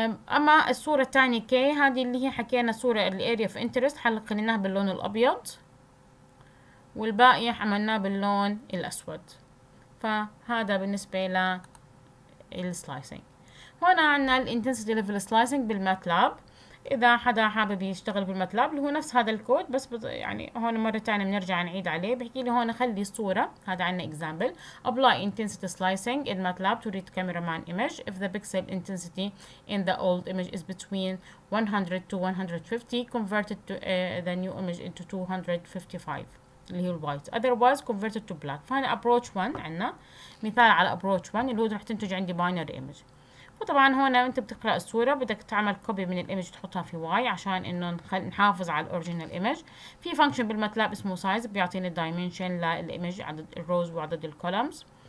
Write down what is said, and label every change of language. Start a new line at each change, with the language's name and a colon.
Arabic: أما الصورة الثانية K هذه اللي هي حكينا صورة الأريا في إنترست حلقناها باللون الأبيض والباقي عملناه باللون الأسود. فهذا بالنسبة للسلايسينج. هنا عنا الانتنسيتي ليفل سلايسينج بالماتلاب. اذا حدا حابب يشتغل بالماتلاب اللي هو نفس هذا الكود بس يعني هون مره ثانيه بنرجع نعيد عليه، بحكي لي هون خلي الصوره، هذا عندنا اكزامبل
English: apply intensity slicing in matlab to read cameraman image if the pixel intensity in the old image is between 100 to 150 converted to the new image into 255
Arabic: اللي هو الوايت
English: otherwise converted to black.
Arabic: فهنا approach 1 عندنا مثال على approach 1 اللي هو رح تنتج عندي باينري ايمج. وطبعا هون انت بتقرا الصوره بدك تعمل كوبي من الايمج تحطها في واي عشان انه نحافظ على الاوريجينال ايمج. في فانكشن بالماتلاب اسمه سايز بيعطيني الدايمنشن للايمج عدد الروز وعدد الكولمز.